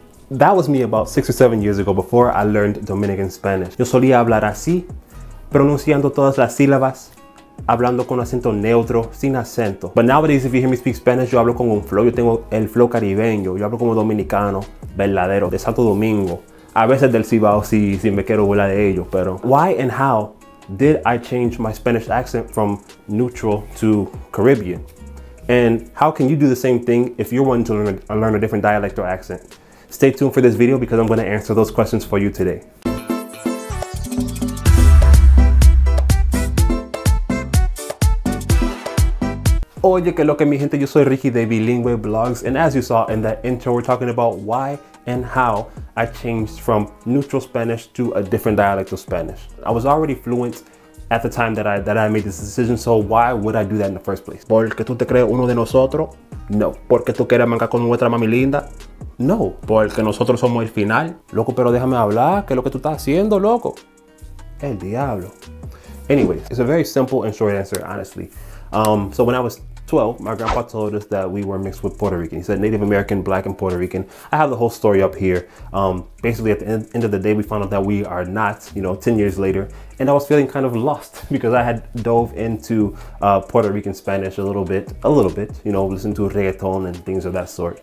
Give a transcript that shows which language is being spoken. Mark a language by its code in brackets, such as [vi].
[en] That was me about 6 or 7 years ago before I learned Dominican Spanish. [es] Yo solía hablar así, pronunciando todas las sílabas, hablando con acento neutro, sin acento. [en] But nowadays, if you hear me speak Spanish, [es] yo hablo con un flow. Yo tengo el flow caribeño. Yo hablo como dominicano, verdadero, de Santo Domingo. A veces del Cibao, si me quiero burlar de ellos, pero... [en] Why and how did I change my Spanish accent from neutral to Caribbean? And how can you do the same thing if you're wanting to learn a different dialect or accent? Stay tuned for this video because I'm going to answer those questions for you today. [es] Oye, que lo que mi gente, yo soy Ricky de Bilingue Blogs. [en] And as you saw in that intro, we're talking about why and how I changed from neutral Spanish to a different dialect of Spanish. I was already fluent at the time that I made this decision, so why would I do that in the first place? [es] Porque tú te crees uno de nosotros? No. Porque tú quieres mangar con nuestra mami linda? No. Porque nosotros somos el final? Loco, pero déjame hablar, ¿qué es lo que tú estás haciendo, loco? El diablo. [en] Anyways, it's a very simple and short answer, honestly. So when I was 12, my grandpa told us that we were mixed with Puerto Rican. He said Native American, Black, and Puerto Rican. I have the whole story up here. Basically, at the end of the day, we found out that we are not, you know, 10 years later. And I was feeling kind of lost because I had dove into Puerto Rican Spanish a little bit, you know, listened to reggaeton and things of that sort.